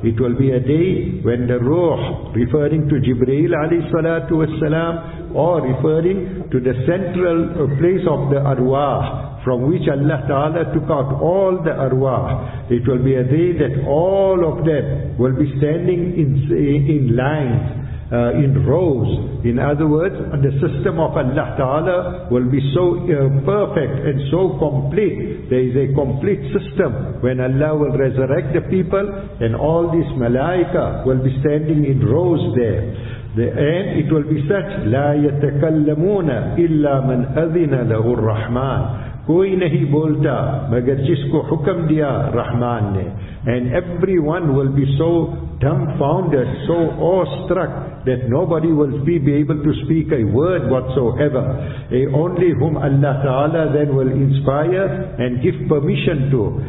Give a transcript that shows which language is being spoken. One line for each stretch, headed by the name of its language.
English: It will be a day when the ruh, referring to Jibreel alayhi salatu wassalam, or referring to the central place of the arwah, from which Allah Ta'ala took out all the arwah, it will be a day that all of them will be standing in lines, in rows. In other words, the system of Allah Ta'ala will be so perfect and so complete. There is a complete system when Allah will resurrect the people, and all these malaika will be standing in rows there. And it will be such,
Arabic: لا يتكلمون إلا من أذن له الرحمن.
Urdu: Koi nahi bolta magar jisko hukam diya Rahman ne.
English: And everyone will be so dumbfounded, so awestruck, that nobody will be able to speak a word whatsoever. Only whom Allah Ta'ala then will inspire and give permission to.